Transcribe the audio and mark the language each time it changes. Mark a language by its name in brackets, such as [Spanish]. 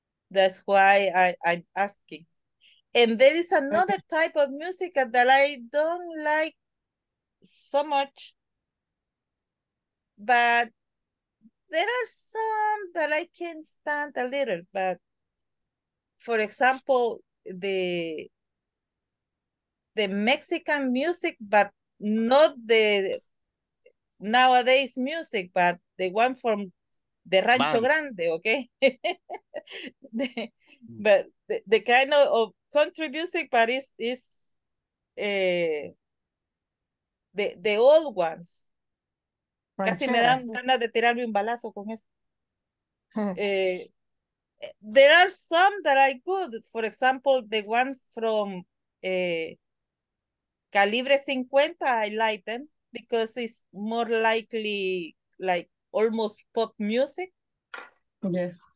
[English] That's why I'm asking. And there is another type of music that I don't like so much, but there are some that I can stand a little, but for example, the Mexican music, but not the nowadays music, but the one from the Rancho Bands. Grande, okay? but the kind of country music, but it's the old ones. [Spanish] Casi me dan ganas de tirarme un balazo con eso. [English] There are some that are good. For example, the ones from Calibre 50, I like them because it's more likely like almost pop music. Yes.